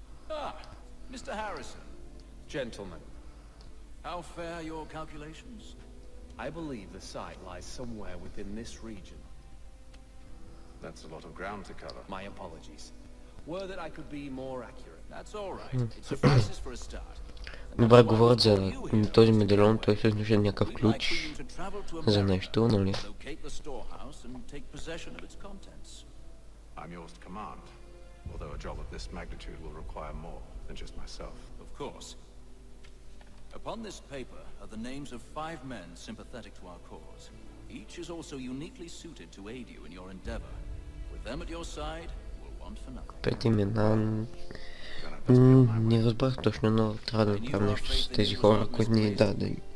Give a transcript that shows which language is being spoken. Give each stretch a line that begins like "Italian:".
English: Ah, Mr. Harrison. Gentlemen. How fare your calculations? I believe the site lies somewhere within this region. That's a lot of ground to cover. My apologies. Were that I could be more accurate. That's all right. It suffices for a start.
Bulgarian: Добре, говорят за този медальон, той всъщност е някакъв ключ за нещо, нали?
English: Locate the storehouse and take possession of its contents. I'm yours to command, although a job of this magnitude will require more than just myself. Of course. Upon this paper are the names of five men sympathetic to our cause. Each is also uniquely suited to aid you in your endeavor. With them at your side, we'll want for nothing.
Bulgarian: Пет имена... не разбрах точно, но трябва да направим нещо с тези хора, които ни дадат.